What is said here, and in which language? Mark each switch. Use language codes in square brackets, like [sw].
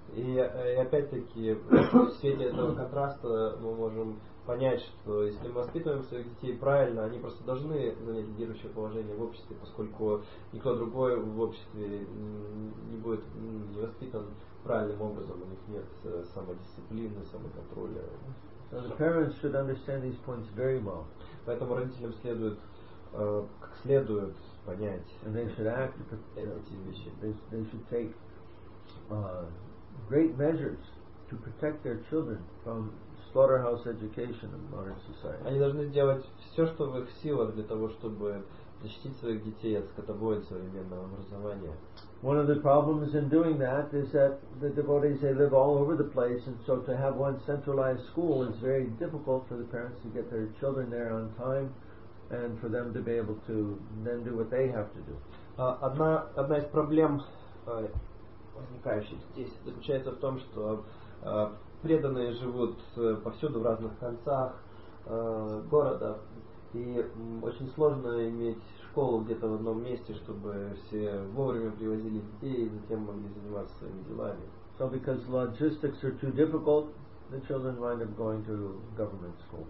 [ru] И опять-таки, в свете этого контраста мы можем понять, что если мы воспитываем своих детей правильно, они просто должны занять лидирующее положение в обществе, поскольку никто другой в обществе не будет не воспитан правильным образом, у них нет самодисциплины, самоконтроля. [en] So the parents should understand these points very well. [ru] Поэтому родителям следует как следует понять. [en] And they should act [ru] эти вещи. [en] They should take great measures to protect their children from slaughterhouse education in modern society. [ru] Они должны делать все, что в их силах, для того, чтобы защитить своих детей от скотобоя современного образования. [en] One of the problems in doing that is that the devotees, they live all over the place, and so to have one centralized school is very difficult for the parents to get their children there on time and for them to be able to then do what they have to do. [ru] Одна из проблем, возникающих здесь, заключается в том, что преданные живут повсюду в разных концах города, и очень сложно иметь школу где-то в одном месте, чтобы все вовремя привозили детей и затем могли заниматься своими делами. [en] So because logistics are too difficult, the children wind up going to government school.